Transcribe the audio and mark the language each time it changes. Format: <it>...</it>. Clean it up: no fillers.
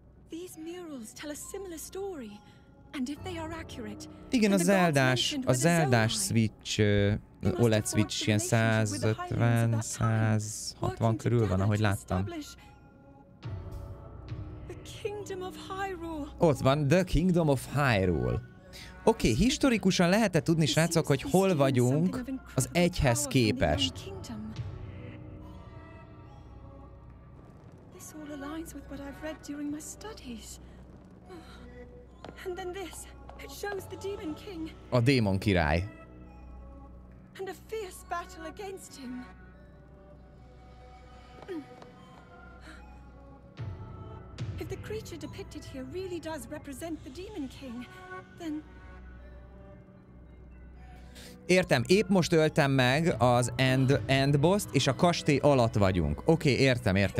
<en>These murals tell a similar story, and if they are accurate,</en> <hu>igen, a Zeldás Switch, OLED Switch ilyen 150-160 körül van, ahogy láttam.</hu> <en>Kingdom of Hyrule.</en> <hu>Ott van, The Kingdom of Hyrule. Oké, historikusan lehetett tudni, srácok, hogy hol vagyunk az egyhez képest.</hu> <en>This all aligns with what I've read during my studies. And then this, it shows the Demon King.</en> <hu>A démon király.</hu> <en>And a fierce battle against him. If the creature depicted here really does represent the Demon King, then...</en> <hu>Értem, épp most öltem meg az end boss-t, és a kastély alatt vagyunk. Oké, értem.</hu>